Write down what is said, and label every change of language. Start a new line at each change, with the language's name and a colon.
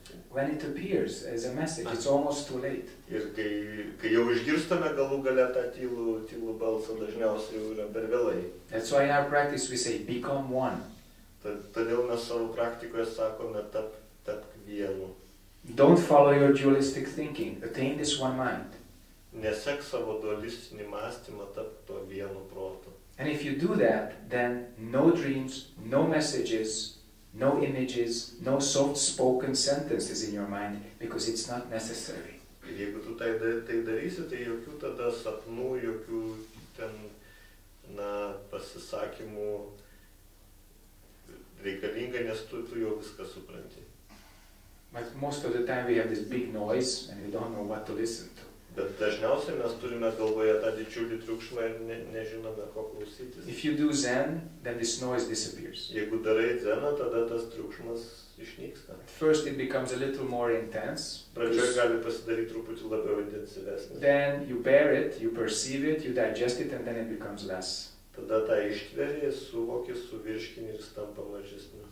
English: When it appears as a message, it's almost too late.
Lithuanian: Ir kai jau išgirstame galų galę tą tylų balsą, dažniausiai jau yra per vėlai.
English: That's why in our practice we say, become one.
Lithuanian: Todėl mes savo praktikoje sakome, tapk vienu.
English: Don't follow your dualistic thinking. Attain this one mind.
Lithuanian: Nesek savo dualistinį mąstymą, tap to vienu protu.
English: And if you do that, then no dreams, no messages, no images, no soft spoken sentences in your mind, because it's not necessary.
Lithuanian: Ir jeigu tu tai darysi, tai jokių tada sapnų, jokių ten, na, pasisakymų reikalinga, nes tu jau viską supranti.
English: But most of the time we have this big noise and we don't know what to listen to.
Lithuanian: Bet dažniausiai mes turime galvoje tą didžiulį triukšmą ir nežinome, ko klausytis.
English: If you do zen, then this noise disappears.
Lithuanian: Jeigu darai zeną, tada tas triukšmas išnyksta.
English: First it becomes a little more intense.
Lithuanian: Pradžioje gali pasidaryti truputį labiau intensyvesnis.
English: Then you bear it, you perceive it, you digest it, and then it becomes less.
Lithuanian: Tada tą ištveri, suvoki, suvirškini ir tampa mažesnis.